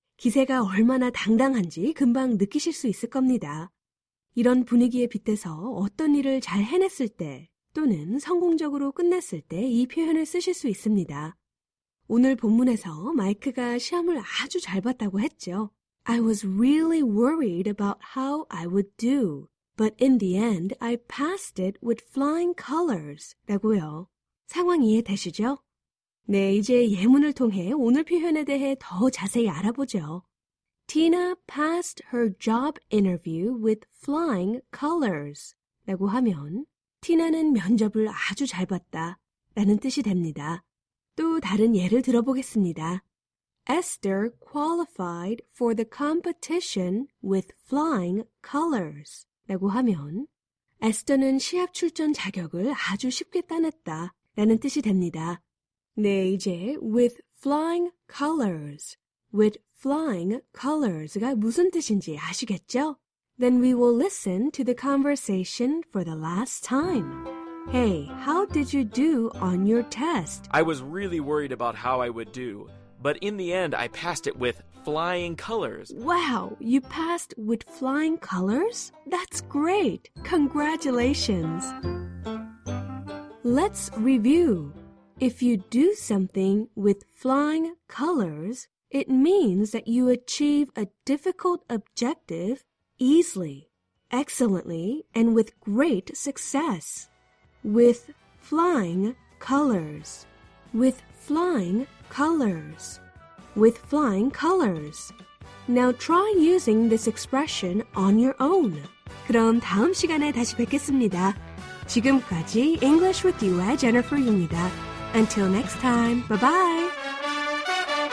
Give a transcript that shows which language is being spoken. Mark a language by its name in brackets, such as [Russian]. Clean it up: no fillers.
[Korean] 기세가 얼마나 당당한지 금방 느끼실 수 있을 겁니다. 이런 분위기에 빗대서 어떤 일을 잘 해냈을 때 또는 성공적으로 끝냈을 때 이 표현을 쓰실 수 있습니다. 오늘 본문에서 마이크가 시험을 아주 잘 봤다고 했죠. [English] I was really worried about how I would do, but in the end, I passed it with flying colors. [Korean] 라고요. 상황 이해되시죠? 네, 이제 예문을 통해 오늘 표현에 대해 더 자세히 알아보죠. [English] Tina passed her job interview with flying colors. [Korean] 라고 하면, 티나는 면접을 아주 잘 봤다. 라는 뜻이 됩니다. 또 다른 예를 들어보겠습니다. [English] Esther qualified for the competition with flying colors. [Korean] 라고 하면, 에스터는 시합 출전 자격을 아주 쉽게 따냈다. 라는 뜻이 됩니다. 네, 이제 [English] with flying colors. With flying colors가 [Korean] 무슨 뜻인지 아시겠죠? [English] Then we will listen to the conversation for the last time. Hey, how did you do on your test? I was really worried about how I would do, but in the end, I passed it with flying colors. Wow, you passed with flying colors? That's great. Congratulations. Let's review. If you do something with flying colors, it means that you achieve a difficult objective easily, excellently, and with great success. With flying colors. With flying colors. With flying colors. Now try using this expression on your own. [Korean] 그럼 다음 시간에 다시 뵙겠습니다. 지금까지 English with you의 Jennifer입니다. [English] Until next time, bye-bye!